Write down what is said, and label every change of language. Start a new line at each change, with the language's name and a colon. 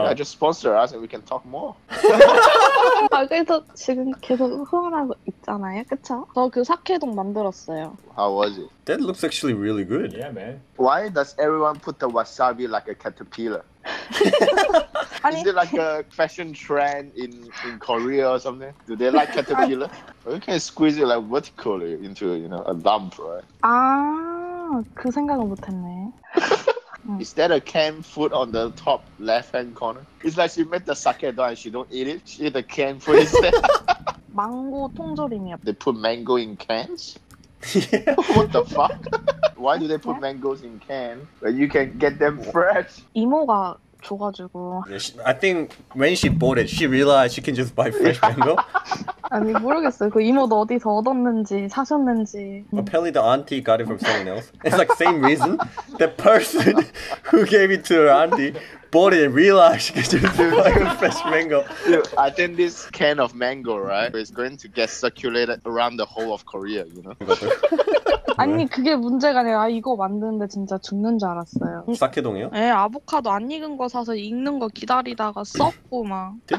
English: Yeah, just sponsor us and we can talk more.
Korean: 아, 그래서 지금 계속 후원하고 있잖아요, 그쵸? 저 그 사케동 만들었어요.
English: How was it? That looks actually really good. Yeah, man. Why does everyone put the wasabi like a caterpillar? Is it like a fashion trend in Korea or something? Do they like caterpillar? Or you can squeeze it like vertically into, you know, a lump, right?
Korean: 아, 그 생각을 못했네.
English: Is that a canned food on the top left-hand corner? It's like she made the sake and she don't eat it. She eat the canned food instead.
Korean: Mango 통조림이요.
English: They put mango in cans? Yeah. What the fuck? Why do they put yeah? mangoes in cans when you can get them fresh?
Korean: 이모가 줘가지고.
English: I think when she bought it, she realized she can just buy fresh mango.
Korean: 아니 모르겠어요. 그 이모도 어디서 얻었는지 사셨는지.
English: Apparently the auntie got it from someone else. It's like same reason. The person who gave it to her auntie bought it and realized she could do like a fresh mango. Dude, I think this can of mango, right, is going to get circulated around the whole of Korea, you know?
Korean: 아니 그게 문제가 아니라 이거 만드는데 진짜 죽는 줄 알았어요. 사케동이요? 네, 아보카도 안 익은 거 사서 익는 거 기다리다가 썩고 막.